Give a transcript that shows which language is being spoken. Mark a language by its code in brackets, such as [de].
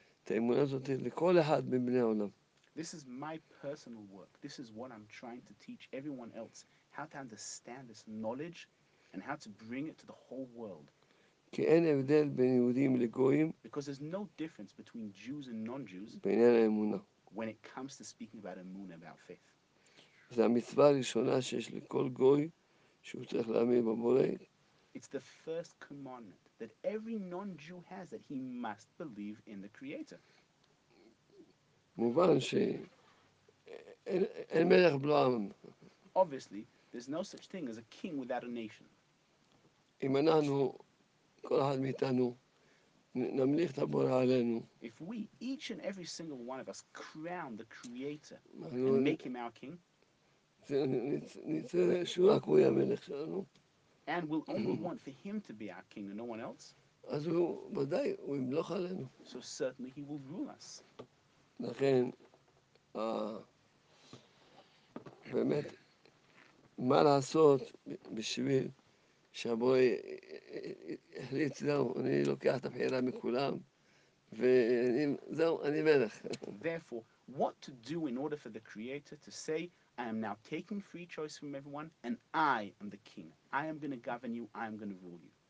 [en] This is my personal work. This is what I'm trying to teach everyone else, how to understand this knowledge and how to bring it to the whole world. [he] כי אין הבדל בין יהודים לגויים. [en] Because there's no difference between Jews and non-Jews. [he] בעניין האמונה. [en] When it comes to speaking about emunah, about faith. [he] זה המצווה הראשונה שיש לכל גוי שהוא צריך להאמין בבורא. [en] It's the first commandment that every non-Jew has, that he must believe in the Creator. [he] מובן שאין מלך בלא עם. [en] Obviously, there's no such thing as a king without a nation. [he] אם אנחנו, כל אחד מאיתנו, נמליך את הבורא עלינו. [en] If we, each and every single one of us, crown the Creator and make him our king, and we'll only want for him to be our king and no one else, [he] אז הוא, ודאי, הוא ימלוך עלינו. [en] So certainly he will rule us. [he] לכן, באמת, מה לעשות בשביל שהבורא החליט, זהו, אני לוקח את הבחירה מכולם, וזהו, אני מלך. [en] Therefore, what to do in order for the Creator to say, I am now taking free choice from everyone, and I am the king. I am going to govern you, I am going to rule you.